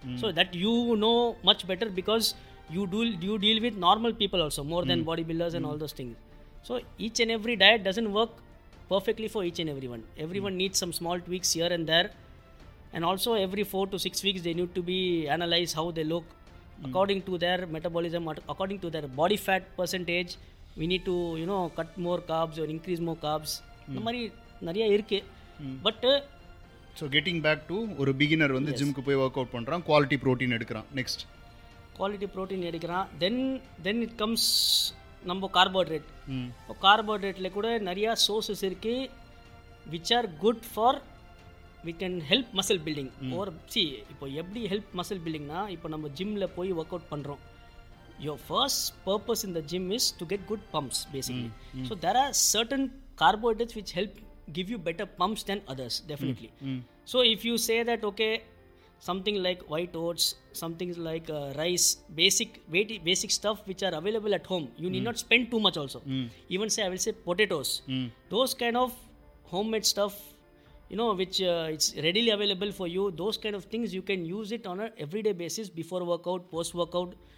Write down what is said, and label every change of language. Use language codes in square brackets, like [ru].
[en] So that you know much better, because you deal with normal people also, more then body builders and all those things. So each and every diet doesn't work perfectly for each and every one. Every one needs some small tweaks here and there, and also every 4 to 6 weeks they need to be analyse how they look according to their metabolism, according to their body fat percentage. We need to, you know, cut more carbs or increase more carbs. [ta] இந்த மாதிரி நிறைய இருக்கு. But [en] so getting back to, [ta] ஒரு beginner வந்து ஜிம்க்கு போய் work out பண்ணுறான், quality protein எடுக்கிறான், next quality protein எடுக்கிறான், [en] then it comes [ta] நம்ம கார்போஹைட்ரேட். இப்போ கார்போஹைட்ரேட்டில் கூட நிறையா சோர்சஸ் இருக்கு [en] Which are good for we can help muscle building. [ta] Wore C, இப்போ எப்படி ஹெல்ப் மசில் பில்டிங்னா, இப்போ நம்ம ஜிம்மில் போய் ஒர்க் அவுட் பண்ணுறோம், [en] your first purpose in the gym is to get good pumps basically. So there are certain carbohydrates which help give you better pumps than others definitely. So if you say that okay, something like white oats, something like rice, basic weighty basic stuff which are available at home, you need not spend too much also. Even say I will say potatoes, those kind of homemade stuff, you know, which it's readily available for you, those kind of things you can use it on a everyday basis before workout, post workout.